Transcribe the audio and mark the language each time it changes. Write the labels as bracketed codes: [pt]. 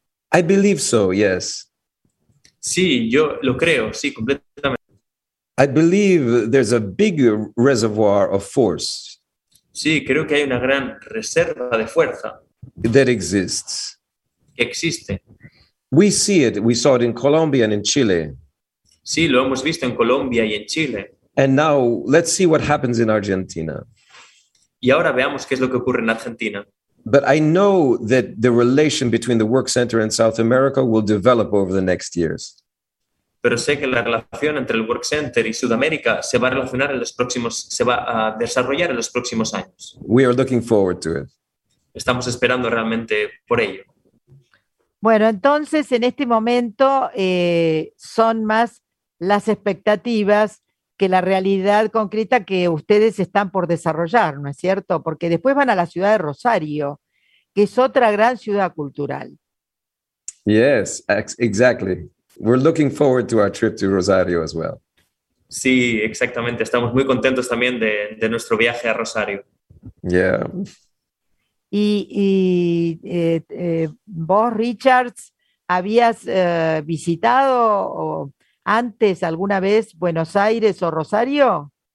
[en] I believe so, yes. [es] Sí, yo lo creo, sí, completamente. [en] I believe there's a big reservoir of force. [es] Sí, creo que hay una gran reserva de fuerza. [en] That exists. [es] Existe. [en] We see it. We saw it in Colombia and in Chile. [es] Sí, lo hemos visto en Colombia y en Chile. [en] And now let's see what happens in Argentina. [es] Y ahora veamos qué es lo que ocurre en Argentina. [en] But I know that the relation between the work center and South America will develop over the next years. [es] Pero sé que la relación entre el Work Center y Sudamérica se va a relacionar en los próximos, se va a desarrollar en los próximos años. [en] We are looking forward to it. [es] Estamos esperando realmente por ello. Bueno, entonces en este momento son más las expectativas que la realidad concreta que ustedes están por desarrollar, ¿no es cierto? Porque después van a la ciudad de Rosario, que es otra gran ciudad cultural. [en] Yes, exactly. We're looking forward to our trip to Rosario as well. [es] Sí, exactamente. Estamos muy contentos también de nuestro viaje a Rosario. [en] Yeah. [es] Y vos, Richards, ¿habías visitado antes alguna vez Buenos Aires o Rosario?